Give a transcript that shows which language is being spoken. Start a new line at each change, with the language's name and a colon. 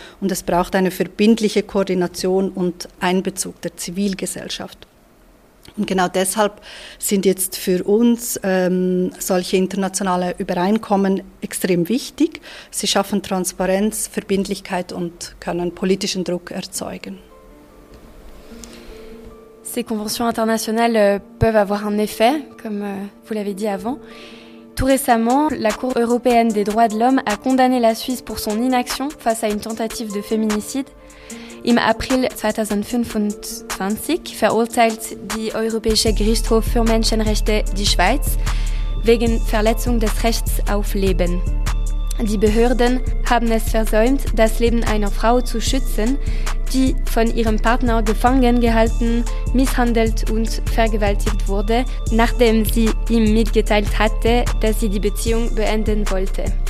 German: Und es braucht eine verbindliche Koordination und Einbezug der Zivilgesellschaft. Und genau deshalb sind jetzt für uns solche internationale Übereinkommen extrem wichtig. Sie schaffen Transparenz, Verbindlichkeit und können politischen Druck erzeugen.
French: ces conventions internationales peuvent avoir un effet, comme vous l'avez dit avant. Tout récemment, la Cour européenne des droits de l'homme a condamné la Suisse pour son inaction face à une tentative de féminicide.
German: Im April 2025 verurteilt die Europäische Gerichtshof für Menschenrechte die Schweiz wegen Verletzung des Rechts auf Leben. Die Behörden haben es versäumt, das Leben einer Frau zu schützen, die von ihrem Partner gefangen gehalten, misshandelt und vergewaltigt wurde, nachdem sie ihm mitgeteilt hatte, dass sie die Beziehung beenden wollte.